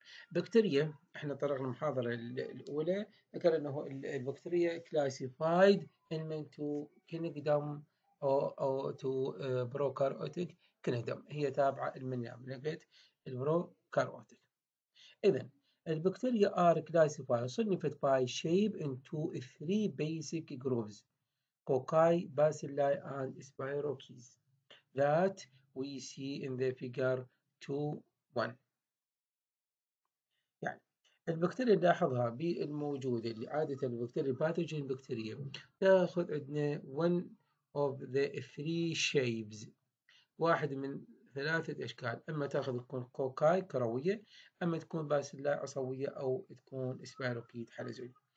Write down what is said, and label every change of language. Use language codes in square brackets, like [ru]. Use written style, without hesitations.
[ar] بكتيريا احنا طرقنا المحاضرة الأولى ذكر انه البكتيريا [en] classified into kingdom [ar] أو [en] to prokaryotic kingdom، [ar] هي تابعة من نبات البروكاريوتيك. إذن البكتيريا [en] are classified [ar] صنفت [en] by shape into three basic groups cocci, bacilli and spirochetes that we see in the figure 2.1. [ar] يعني البكتيريا نلاحظها بالموجودة اللي عادة البكتيريا [en] pathogen bacteria [ar] تأخذ عندنا [en] one of the three shapes، [ar] واحد من ثلاثة أشكال، أما تأخذ تكون كوكاي كروية، أما تكون باسيلاي عصوية، أو تكون سبايروكيت حلزوني.